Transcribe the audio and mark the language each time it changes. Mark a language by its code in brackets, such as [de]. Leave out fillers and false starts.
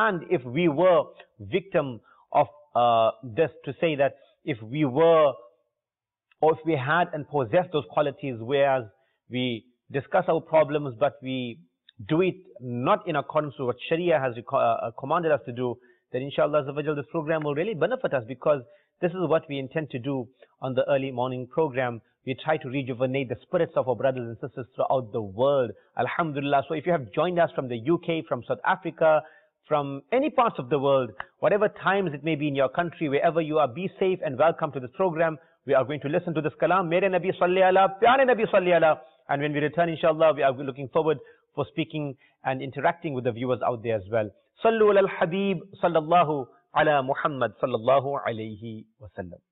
[en] And if we were victim of this, to say that if we were or if we had and possess those qualities way as we discuss our problems but we do it not in accordance to what شریعہ has commanded us to do, then inshallah azawajal this program will really benefit us, because this is what we intend to do on the early morning program. We try to rejuvenate the spirits of our brothers and sisters throughout the world, alhamdulillah. So if you have joined us from the UK, from South Africa, from any parts of the world, whatever times it may be in your country, wherever you are, be safe and welcome to this program. We are going to listen to this kalam, [ur] mere nabi salli ala, pyare nabi salli ala. [en] And when we return, inshallah, we are looking forward for speaking and interacting with the viewers out there as well. [ar] صلوا علی الحبیب صلی اللہ علی محمد صلی اللہ علیہ وسلم.